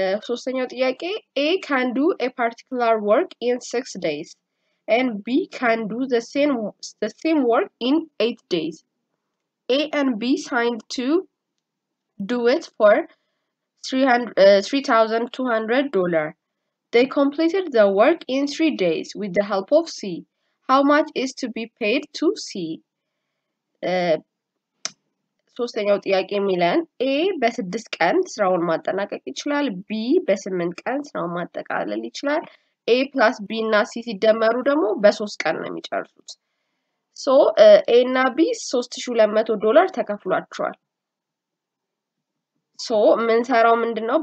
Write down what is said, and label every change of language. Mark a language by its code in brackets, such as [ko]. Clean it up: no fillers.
[en] ሶስተኛው ጥያቄ ኤ ካን ዱ ኤ ፓርቲኩላር ወርክ ኢን 6 ዴይዝ ኤንድ ቢ ካን ዱ ዘ ሴም ወርክ ኢን 8 ዴይዝ A and B signed to do it for $3,200. They completed the work in 3 days with the help of C. How much is to be paid to C? [am] ሶስተኛው ጥያቄ የሚለን A በስድስት ቀን ስራውን ማጠናቀቅ ይችላል። B በስምንት ቀን ስራውን ማጠቃለል ይችላል። A plus B እና C ሲደመሩ ደግሞ በሶስት ቀን ነው የሚጨርሱት። ሶ ኤ እና ቢ $3,200 ተከፍሏቸዋል። ሶ የምንሰራው ምንድን ነው?